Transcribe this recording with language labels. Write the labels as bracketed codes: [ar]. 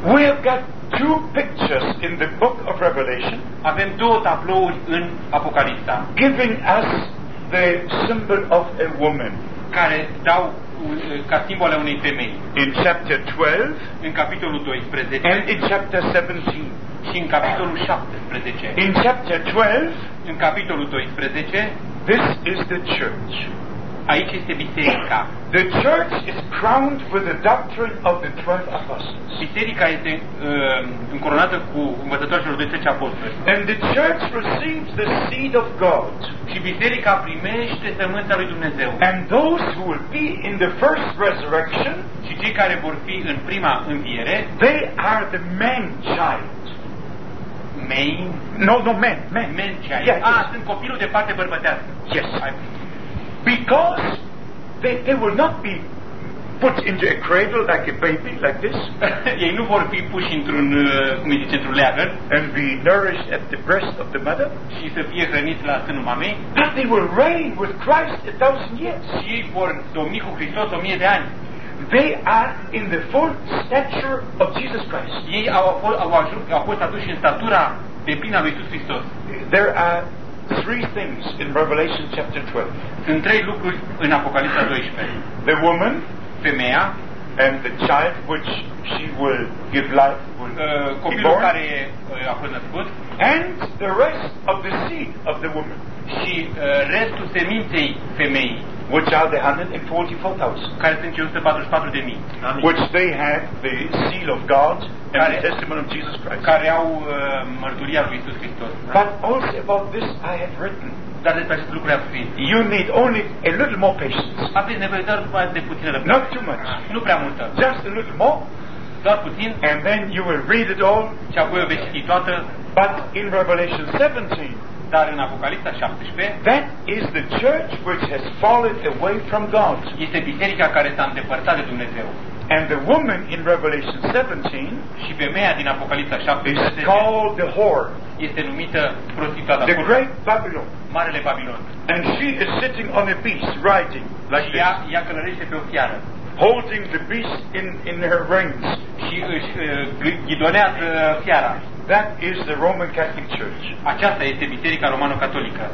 [en] We have got two pictures in the book of Revelation. [ro] Avem două tablouri în Apocalipsa. [en] Giving us the symbol of a woman. [ro] Care dau ca simbol unei femei. [en] In chapter 12. [ro] În capitolul 12. [en] And in chapter 17. [ro] Și în capitolul 17. [en] In chapter 12. [ro] În capitolul 12. [en] This is the church. [ro] Aici este biserica. [en] The church is crowned with the doctrine of the 12 apostles. [ro] Biserica este încoronată cu învățătura celor 12 apostoli. [en] And the church receives the seed of God. [ro] Și biserica primește sămânța lui Dumnezeu. [en] And those who will be in the first resurrection, [ro] și cei care vor fi în prima înviere, [en] they are the man child. Main? No, man. Man child. Yes, ah, yes. [ro] Sunt copilul de parte bărbătească. [en] Yes. Because they will not be put into a cradle like a baby, like this. [ro] Ei nu vor fi puși într-un, cum zice, într-un leagăn. [en] And be nourished at the breast of the mother. [ro] Și să fie hrăniți la sânul mamei. [en] But they will reign with Christ 1,000 years. [ro] Și ei vor domni cu Hristos 1,000 de ani. [en] They are in the full stature of Jesus Christ. [ro] Ei au fost aduși în statura de plină a lui Iisus Hristos. [en] There are three things in Revelation chapter 12. [ro] Sunt trei lucruri în Apocalipsa 12. [en] The woman, [ro] femeia, [en] and the child which she will give life, will [ro] copilul [en] be born, [ro] care a fost născut, [en] and the rest of the seed of the woman, [ro] și restul seminței femeii, [en] which are the 144,000, [ro] care sunt 144,000, [en] which they have the seal of God and the testimony of Jesus Christ, [ro] care au mărturia lui Iisus Hristos. [en] But also about this I have written. [ro] Dar despre acest lucru am scris. [en] You need only a little more patience. [ro] Aveți nevoie doar de puțină răbdare. [en] Not too much. [ro] Nu prea multă. [en] Just a little more. [ro] Doar puțin. [en] And then you will read it all. [ro] Și apoi o veți citi toată. [en] But in Revelation 17. [ro] Dar în Apocalipsa 17. [en] That is the church which has fallen away from God. [ro] Este biserica care s-a îndepărtat de Dumnezeu. [en] And the woman in Revelation 17, [ro] și femeia din Apocalipsa 17, [en] is called the whore, [ro] este numită prostituata, [en] the great Babylon, [ro] marele Babilon. [en] And she is sitting on a beast riding like this. [ro] Ea călărește pe o fiară, [en] holding the beast in her reins. [ro] Și își ghidonează fiara. [en] That is the Roman Catholic Church. [ro] Aceasta este biserica romano-catolică.